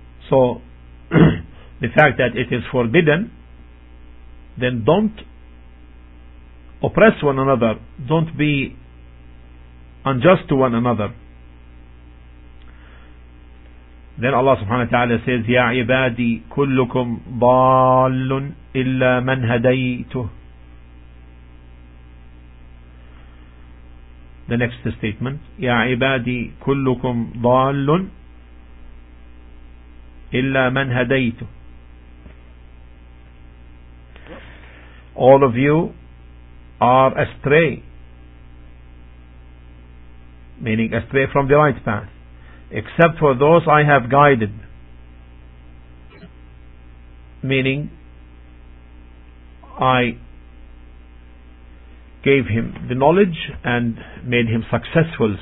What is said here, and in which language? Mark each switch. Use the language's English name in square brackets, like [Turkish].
[English] So the fact that it is forbidden, then don't oppress one another, don't be unjust to one another. Then Allah subhanahu wa ta'ala says, [Arabic] يَا عِبَادِي كُلُّكُمْ ضَالٌ إِلَّا مَنْ هَدَيْتُهُ. [English] The next statement, [Arabic] يَا عِبَادِي كُلُّكُمْ ضَالٌ إِلَّا مَنْ هَدَيْتُهُ. [English] All of you are astray, meaning astray from the right path, except for those I have guided, meaning I gave him the knowledge and made him successful.